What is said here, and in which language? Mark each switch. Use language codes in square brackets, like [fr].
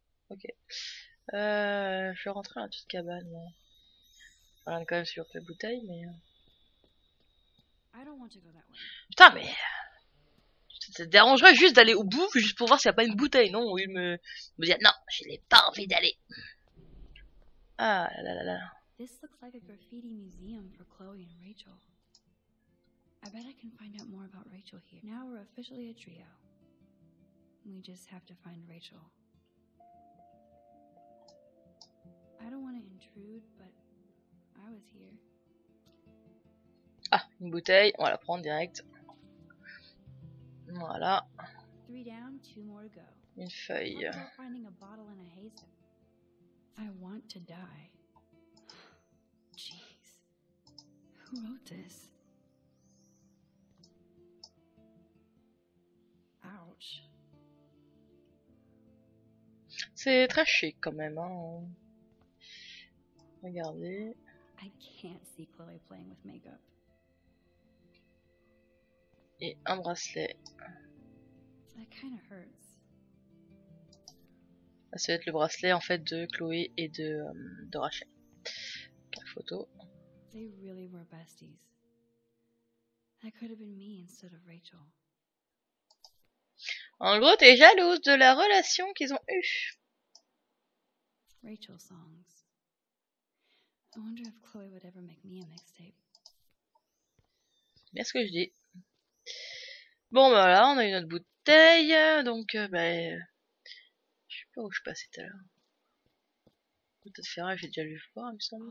[fr] Ok. Je vais rentrer dans la petite cabane. On va quand même sur les bouteilles, mais. [en] I don't want to go that way. [fr] Putain, mais. Ça te dérangerait juste d'aller au bout, juste pour voir s'il n'y a pas une bouteille, non? Oui, mais... Il me dit, non, je n'ai pas envie d'aller. Ah, là, là, là, là. [en] This looks like a graffiti museum for Chloe and Rachel. I bet I can find out more about Rachel here. Now we're officially a trio. We just have to find Rachel. I don't want to intrude, but I was here. [fr] Ah, une bouteille, on va la prendre direct. Voilà. [en] Three down, two more to go. [fr] Une feuille. [en] Finding a bottle in a haze. I want to die. Jeez. Who wrote this? Ouch. [fr] C'est très chic quand même, hein. Regardez. [en] I can't see Chloe playing with makeup. [fr] Et un bracelet. [en] That kinda hurts. [fr] Ça va être le bracelet en fait de Chloé et de Rachel. La photo. [en] They really were besties. That could have been me instead of Rachel. [fr] En gros, t'es jalouse de la relation qu'ils ont eue. [en] Rachel songs. I wonder if Chloe would ever make me a mixtape. [fr] Bien ce que je dis. Bon, bah là, on a eu notre bouteille, donc, bah, je sais pas où je suis passé tout à l'heure. Bout de ferraille, j'ai déjà vu voir, il me semble.